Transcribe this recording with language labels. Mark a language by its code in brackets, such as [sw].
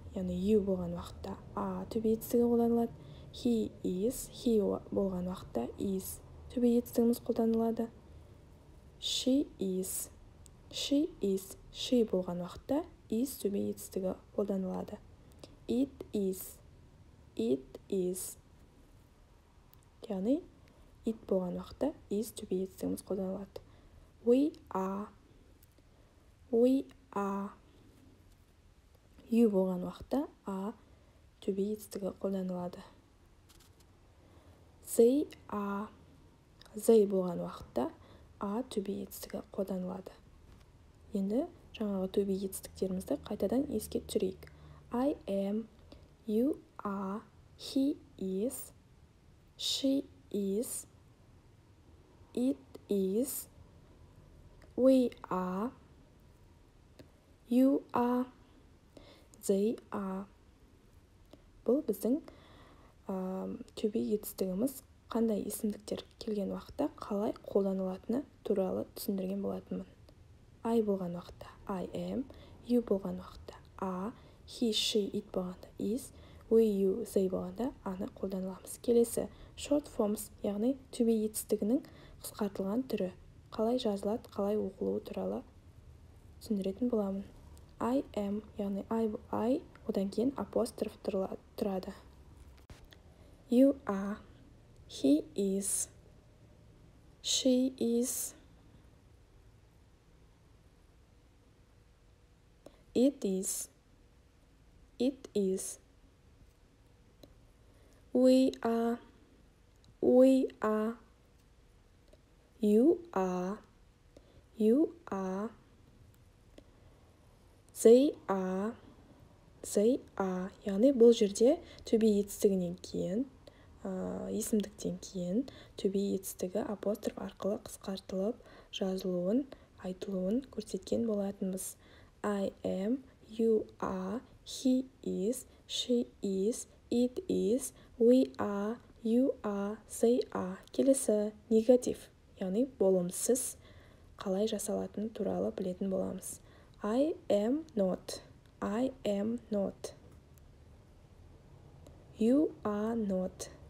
[kk] Яғни you болған уақытта а to be етістігі қолданылады. [en] He is, he [kk] болған уақытта [en] is to be [kk] етістігіміз қолданылады. [en] She is, she is, she [kk] болған уақытта [en] is to be [kk] етістігі қолданылады. [en] It is, it is. [kk] Яғни, it болған уақытта is to be етістігіміз қолданылады. [en] We are, we are. [kk] You болған уақытта are to be етістігі қолданылады. [en] They are. [kk] They болған уақытта are to be етістігі қолданылады. Енді жаңағы to be етістіктерімізді қайтадан еске түрейік. [en] I am, you are, he is, she is, it is, we are, you are, they are. [kk] Бұл біздің to be етістігіміз қандай есімдіктер келген уақытта қалай қолданылатыны туралы түсіндірген болатынмын. [en] I [kk] болған уақытта [en] I am, you болған уақытта are, he, she, it болғанда is, we, you, they [kk] болғанда аны қолданыламыз. Келесі short forms, яғни to be етістігінің қысқартылған түрі, қалай жазылады, қалай оқылуы туралы түсіндіретін боламын. [en] I am, [kk] яғни I одан кейін апостроф тұрады. [en] You are. He is, she is, it is, it is, we are, you are, you are, they are, they are. [kk] Яғни бұл жерде to be етістігінен кейін есімдіктен кейін to be етістігі апостроф арқылы қысқартылып жазылуын, айтылуын көрсеткен болатынбыз. [en] I am, you are, he is, she is, it is, we are, you are, they are. [kk] Келесі негатив, яғни болымсыз қалай жасалатын туралы білетін боламыз. [en] I am not, I am not, you are not.